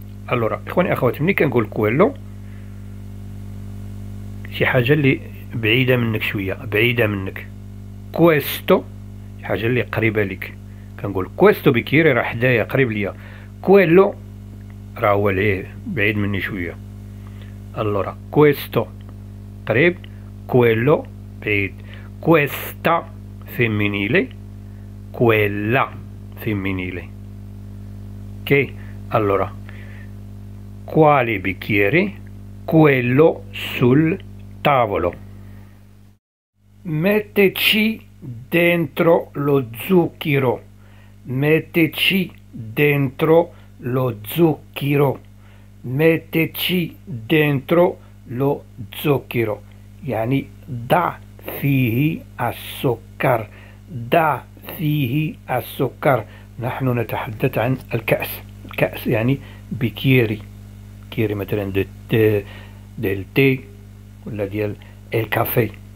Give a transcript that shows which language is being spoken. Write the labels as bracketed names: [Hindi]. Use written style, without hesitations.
[Italian] allora [Arabic] إخواني أخواتي ملي كنقول [Italian] quello [Arabic] شي حاجة اللي بعيدة منك شوية، بعيدة منك. [Italian] questo [Arabic] شي حاجة اللي قريبة لك. كنقول questo بكيري راه حدايا قريب ليا. [Italian] quello [Arabic] راه هو ليه بعيد مني شوية. [Italian] allora questo قريب، quello بعيد. questa femminile، quella femminile. ok allora quale bicchiere؟ quello sul tavolo. metteci dentro lo zucchero. metteci dentro lo zucchero. metteci dentro lo zucchero [Arabic] يعني دع فيه السكر. دع فيه السكر. نحن نتحدث عن الكأس. الكأس يعني بكيري. كيري مثلا ديال تي ولا ديال الكافي.